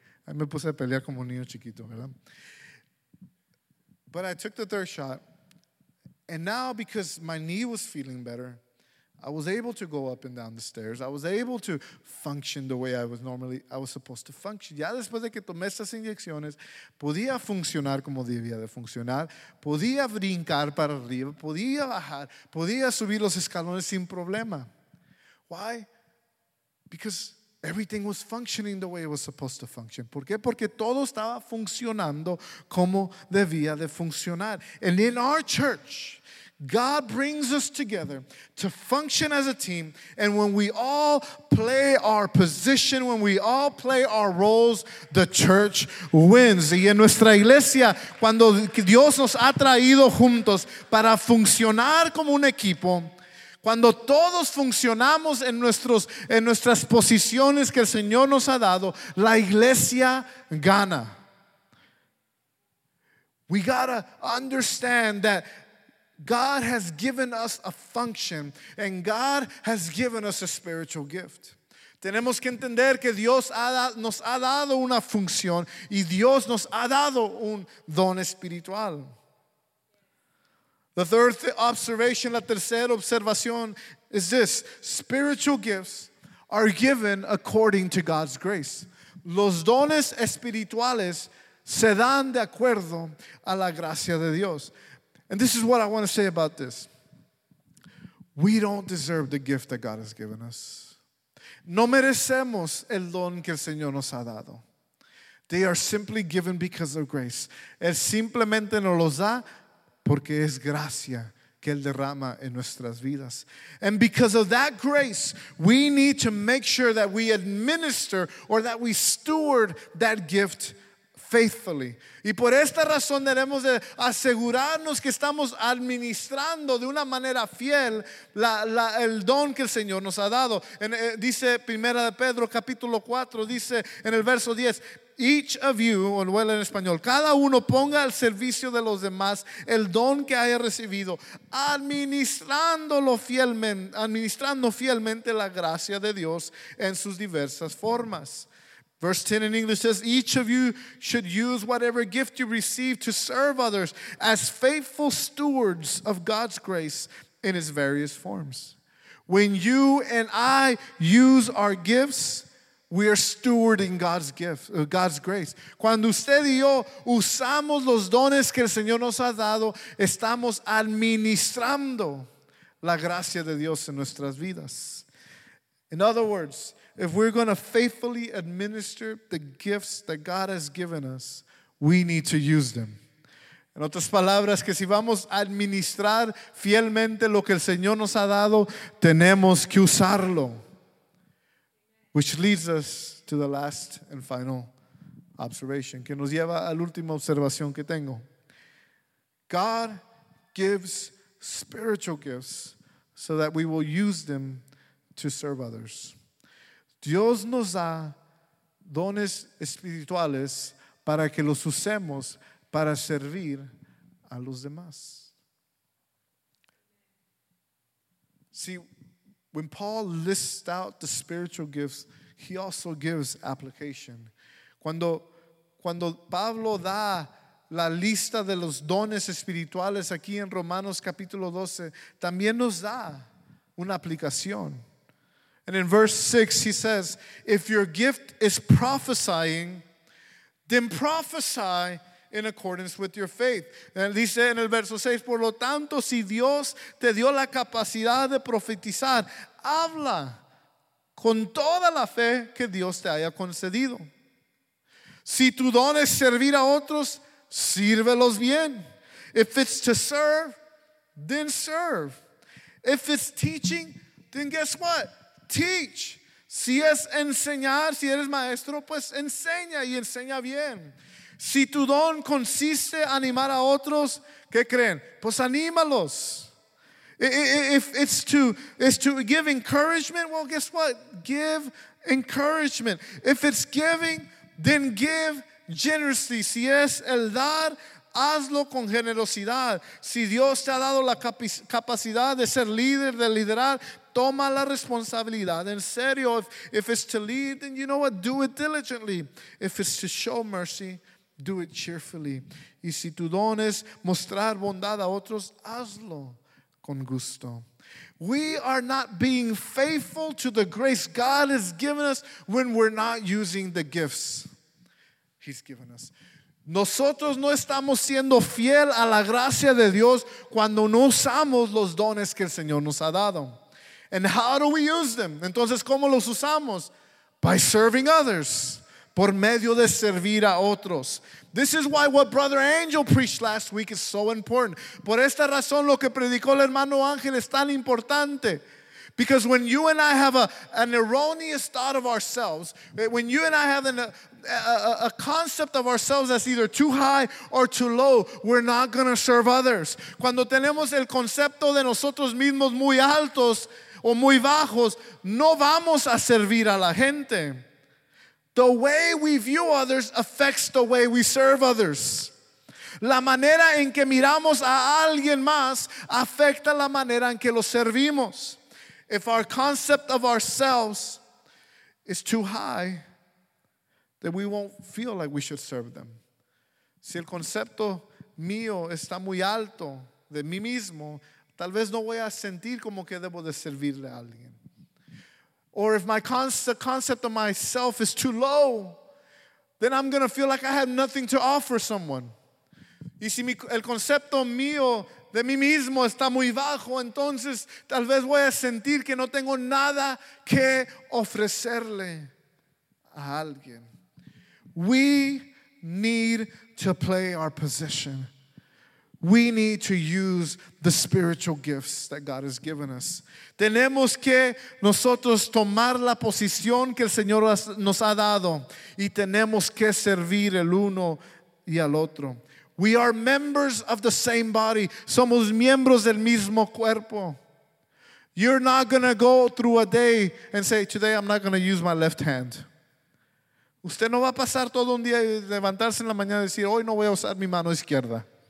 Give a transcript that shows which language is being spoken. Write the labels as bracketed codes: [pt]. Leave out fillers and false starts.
[es] Ahí me puse a pelear como un niño chiquito, ¿verdad? [en] But I took the third shot. And now, because my knee was feeling better, I was able to go up and down the stairs. I was able to function the way I was supposed to function. [es] Ya después de que tomé estas inyecciones, podía funcionar como debía de funcionar. Podía brincar para arriba. Podía bajar. Podía subir los escalones sin problema. [en] Why? Because everything was functioning the way it was supposed to function. [es] ¿Por qué? Porque todo estaba funcionando como debía de funcionar. [en] And in our church, God brings us together to function as a team. And when we all play our position, when we all play our roles, the church wins. [es] Y en nuestra iglesia, cuando Dios nos ha traído juntos para funcionar como un equipo, cuando todos funcionamos en nuestras posiciones que el Señor nos ha dado, la iglesia gana. [en] We gotta understand that God has given us a function and God has given us a spiritual gift. [es] Tenemos que entender que Dios nos ha dado una función y Dios nos ha dado un don espiritual. [en] The third observation, [es] la tercera observación, [en] is this: spiritual gifts are given according to God's grace. [es] Los dones espirituales se dan de acuerdo a la gracia de Dios. [en] And this is what I want to say about this. We don't deserve the gift that God has given us. [es] No merecemos el don que el Señor nos ha dado. [en] They are simply given because of grace. [es] Él simplemente nos los da porque es gracia que Él derrama en nuestras vidas. [en] And because of that grace, we need to make sure that we administer or that we steward that gift faithfully. [es] Y por esta razón debemos de asegurarnos que estamos administrando de una manera fiel el don que el Señor nos ha dado. Dice Primera de Pedro capítulo 4, dice en el verso 10, [en] each of you, [es] o well, en español, cada uno ponga al servicio de los demás el don que haya recibido, administrando fielmente la gracia de Dios en sus diversas formas. [en] Verse 10 in English says, each of you should use whatever gift you receive to serve others as faithful stewards of God's grace in its various forms. When you and I use our gifts, we are stewarding God's gift, God's grace. [es] Cuando usted y yo usamos los dones que el Señor nos ha dado, estamos administrando la gracia de Dios en nuestras vidas. [en] In other words, if we're going to faithfully administer the gifts that God has given us, we need to use them. [es] En otras palabras, que si vamos a administrar fielmente lo que el Señor nos ha dado, tenemos que usarlo. [en] Which leads us to the last and final observation, [es] que nos lleva a la última observación que tengo. [en] God gives spiritual gifts so that we will use them to serve others. [es] Dios nos da dones espirituales para que los usemos para servir a los demás. [en] See, when Paul lists out the spiritual gifts, he also gives application. [es] Cuando Pablo da la lista de los dones espirituales aquí en Romanos capítulo 12, también nos da una aplicación. [en] And in verse 6, he says, if your gift is prophesying, then prophesy in accordance with your faith. [es] And dice en el verso 6, por lo tanto, si Dios te dio la capacidad de profetizar, habla con toda la fe que Dios te haya concedido. Si tu don es servir a otros, sírvelos bien. [en] If it's to serve, then serve. If it's teaching, then guess what? Teach. [es] Si es enseñar, si eres maestro, pues enseña y enseña bien. Si tu don consiste en animar a otros, ¿qué creen? Pues anímalos. [en] If it's to, give encouragement, well, guess what? Give encouragement. If it's giving, then give generously. [es] Si es el dar, hazlo con generosidad. Si Dios te ha dado la capacidad de ser líder, de liderar, toma la responsabilidad en serio. [en] If it's to lead, then you know what? Do it diligently. If it's to show mercy, do it cheerfully. [es] Y si tu don es mostrar bondad a otros, hazlo con gusto. [en] We are not being faithful to the grace God has given us when we're not using the gifts He's given us. [es] Nosotros no estamos siendo fiel a la gracia de Dios cuando no usamos los dones que el Señor nos ha dado. [en] And how do we use them? [es] Entonces, ¿cómo los usamos? [en] By serving others. [es] Por medio de servir a otros. [en] This is why what Brother Angel preached last week is so important. [es] Por esta razón, lo que predicó el hermano Ángel es tan importante. [en] Because when you and I have an erroneous thought of ourselves, when you and I have a concept of ourselves that's either too high or too low, we're not going to serve others. [es] Cuando tenemos el concepto de nosotros mismos muy altos o muy bajos, no vamos a servir a la gente. [en] The way we view others affects the way we serve others. [es] La manera en que miramos a alguien más afecta la manera en que los servimos. [en] If our concept of ourselves is too high, then we won't feel like we should serve them. [es] Si el concepto mío está muy alto de mí mismo, tal vez no voy a sentir como que debo de servirle a alguien. [en] Or if my concept of myself is too low, then I'm going to feel like I have nothing to offer someone. [es] Y si el concepto mío de mí mismo está muy bajo, entonces tal vez voy a sentir que no tengo nada que ofrecerle a alguien. [en] We need to play our position. We need to use the spiritual gifts that God has given us. [es] Tenemos que nosotros tomar la posición que el Señor nos ha dado y tenemos que servir el uno y al otro. [en] We are members of the same body. [es] Somos miembros del mismo cuerpo. [en] You're not going to go through a day and say, today I'm not going to use my left hand. [es] Usted no va a pasar todo un día y levantarse en la mañana y decir, hoy no voy a usar mi mano izquierda.